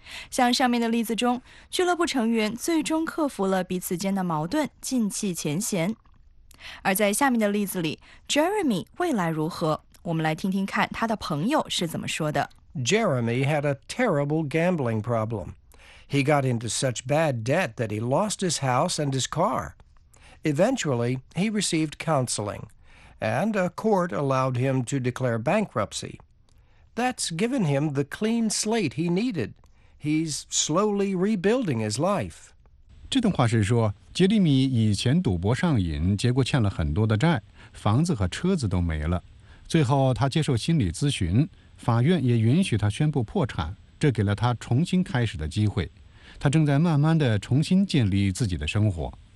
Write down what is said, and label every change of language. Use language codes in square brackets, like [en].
[zh] 像上面的例子中俱乐部成员最终克服了彼此间的矛盾静气前嫌。而在下面的例子里 Jeremy 未来如何我们来听听看他的朋友是怎么说的。 [en] Jeremy had a terrible gambling problem. He got into such bad debt that he lost his house and his car. Eventually, he received counseling, and a court allowed him to declare bankruptcy. That's given him the clean slate he needed. He's slowly rebuilding his life. [zh] 这段话是说，杰里米以前赌博上瘾，结果欠了很多的债，房子和车子都没了。最后他接受心理咨询法院也允许他宣布破产这给了他重新开始的机会他正在慢慢地重新建立自己的生活